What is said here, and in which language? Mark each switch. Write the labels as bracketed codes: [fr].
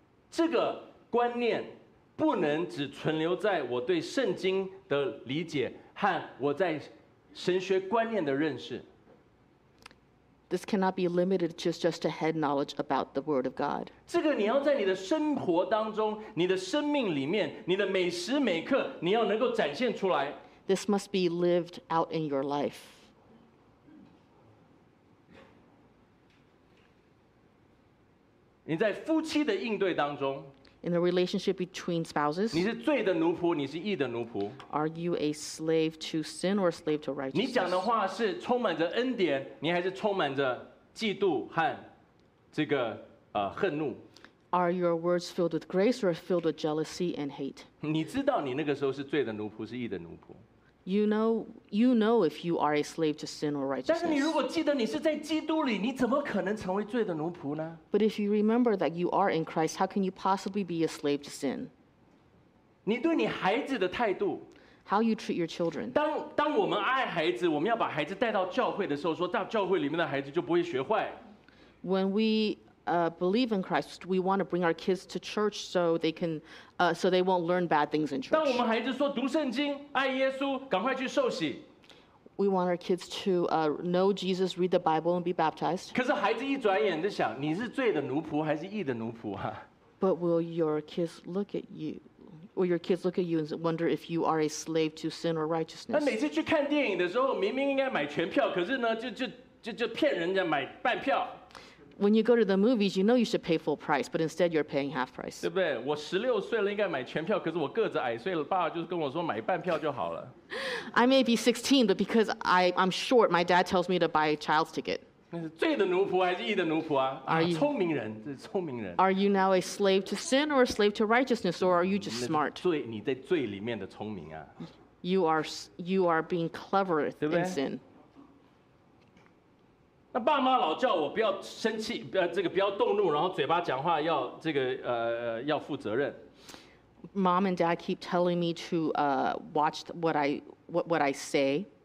[zh] 这个观念不能只存留在我对圣经的理解和我在神学观念的认识。 [en] This cannot be limited to just a head knowledge about the Word of God. [zh] 这个你要在你的生活当中，你的生命里面，你的每时每刻，你要能够展现出来。 [en] This must be lived out in your life. [zh] 你在夫妻的应对当中。 [en] In the relationship between spouses. [zh] 你是罪的奴仆，你是义的奴仆。 [en] Are you a slave to sin or a slave to righteousness? [zh] 你讲的话是充满着恩典，你还是充满着嫉妒和这个恨怒？ [en] Are your words filled with grace or filled with jealousy and hate? [zh] 你知道你那个时候是罪的奴仆，是义的奴仆。 [en] You know if you are a slave to sin or righteousness. [zh] 但是你如果记得你是在基督里，你怎么可能成为罪的奴仆呢？ [en] But if you remember that you are in Christ, how can you possibly be a slave to sin? [zh] 你对你孩子的态度。 [en] How you treat your children. [zh] 当我们爱孩子，我们要把孩子带到教会的时候，说到教会里面的孩子就不会学坏。 [en] When we believe in Christ, we want to bring our kids to church so they won't learn bad things in church. [zh] 当我们孩子说读圣经，爱耶稣，赶快去受洗。 [en] We want our kids to know Jesus, read the Bible, and be baptized. [zh] 可是孩子一转眼就想，你是罪的奴仆还是义的奴仆啊？ [en] But will your kids look at you? Will your kids look at you and wonder if you are a slave to sin or righteousness? [zh] 那每次去看电影的时候，明明应该买全票，可是呢，就骗人家买半票。 [en] When you go to the movies, you know you should pay full price, but instead you're paying half price. [zh] 对不对？我十六岁了，应该买全票。可是我个子矮，所以爸爸就跟我说买半票就好了。 [en] I may be 16, but because I'm short, my dad tells me to buy a child's ticket. [zh] 那是罪的奴仆还是义的奴仆啊？聪明人，这是聪明人。 [en] Are you now a slave to sin or a slave to righteousness, or are you just smart? [zh] 你在罪里面的聪明啊。 [en] You are being clever in sin. [zh] 那爸妈老叫我不要生气，不要动怒，然后嘴巴讲话要负责任。 [en] Mom and Dad keep telling me to watch what I say.